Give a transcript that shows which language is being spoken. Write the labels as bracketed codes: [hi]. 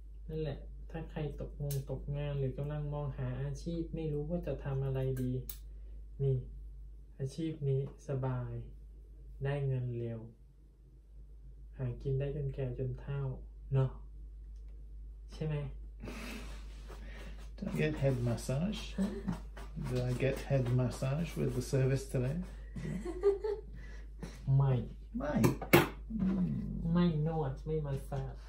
[th] นั่นแหละถ้าใครตกงานหรือกำลังมองหาอาชีพไม่รู้ว่าจะทำอะไรดีนี่อาชีพนี้สบายได้เงินเร็วหากินได้จนแก่จนเฒ่าเนาะใช่ไหม [en] Don't get head massage Did I get head massage with the service today? [th] ไม่ ไม่นวดไม่มาสา